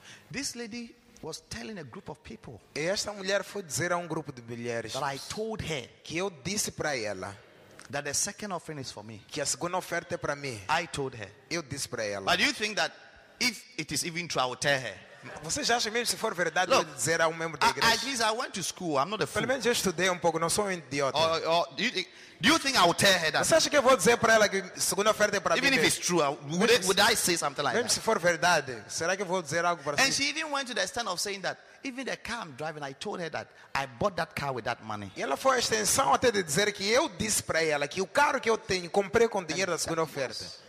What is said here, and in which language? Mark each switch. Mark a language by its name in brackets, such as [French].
[English] This lady was telling a group of people. [Portuguese] E esta mulher foi dizer a grupo de mulheres. [English] That I told her. [Portuguese] Que eu disse para ela. [English] That the second offering is for me. [Portuguese] Que a segunda oferta é para mim. [English] I told her. [Portuguese] Eu disse para ela. [English] But do you think that if it is even true, I will tell her? [Portuguese] Você já acha mesmo se for verdade eu dizer a membro da igreja? [English] At least I went to school. I'm not a fool. [Portuguese] Pelo menos eu estudei pouco, não sou idiota. [English] Do you think I will tell her that? [Portuguese] Você acha que eu vou dizer para ela que segunda oferta é para mim? [English] Even if it's true, would I say something like [Portuguese] mesmo [English] that? [Portuguese] Mesmo se for verdade, será que eu vou dizer algo para ela? And she even went to the extent of saying that even the car I'm driving, I told her that I bought that car with that money. E ela foi a extensão até de dizer que eu disse para ela que o carro que eu tenho comprei com dinheiro da segunda oferta.